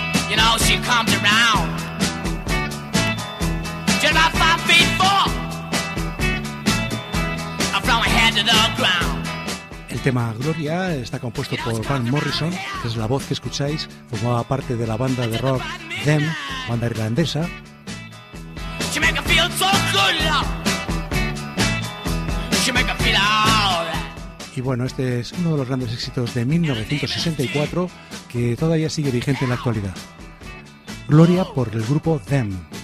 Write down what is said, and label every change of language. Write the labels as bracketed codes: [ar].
[en] You know, she comes around just about 5 feet four from her head to the ground. [es] El tema Gloria está compuesto por Van Morrison, que es la voz que escucháis, formaba parte de la banda de rock Them, banda irlandesa. [en] She make her feel so good, love. She make her feel all right. [es] Y bueno, este es uno de los grandes éxitos de 1964 que todavía sigue vigente en la actualidad. Gloria por el grupo Them.